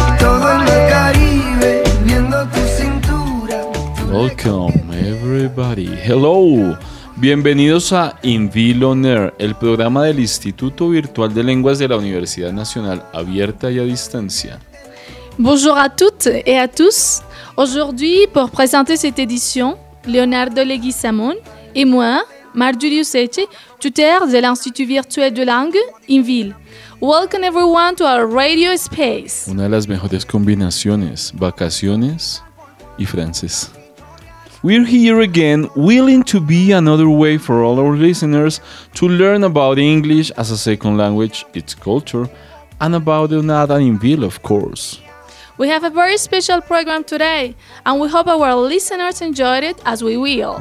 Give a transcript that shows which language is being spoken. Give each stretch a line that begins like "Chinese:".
Spanish: Todo en el Caribe, viendo tu cintura.
English: Welcome everybody, hello,
Spanish: bienvenidos a Invid on Air, el programa del Instituto Virtual de Lenguas de la Universidad Nacional, abierta y a distancia.
French: Bonjour à toutes et à tous. Aujourd'hui, pour présenter cette édition, Leonardo Leguizamón et moi, Marjorie Useche, tuteur de l'Institut Virtuel de Langue, Invid.
English: Welcome everyone to our radio space.
Spanish: Una de las mejores combinaciones, vacaciones y francés.
English: We're here again, willing to be another way for all our listeners to learn about English as a second language, its culture, and about the UNAD and Invid, of course. We have a very special program today, and we hope our listeners enjoyed it as we will.